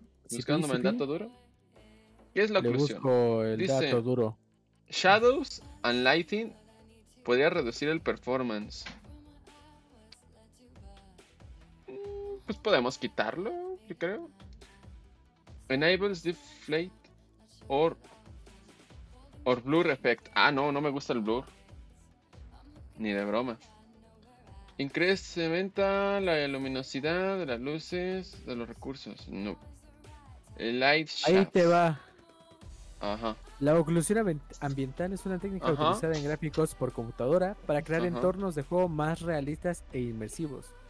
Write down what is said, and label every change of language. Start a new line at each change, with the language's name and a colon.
Spanish: Buscándome el dato duro. ¿Qué es la oclusión? Le busco el dato duro.
English: Shadows and lighting
Spanish: podría reducir el performance. Pues podemos quitarlo, yo creo.
English: Enables deflate or blur effect.
Spanish: Ah, no me gusta el blur. Ni de broma. Incrementa la luminosidad de las luces de los recursos.
English: No. Light shaft.
Spanish: Ahí te va. Ajá. La oclusión ambiental es una técnica utilizada en gráficos por computadora para crear entornos de juego más realistas e inmersivos.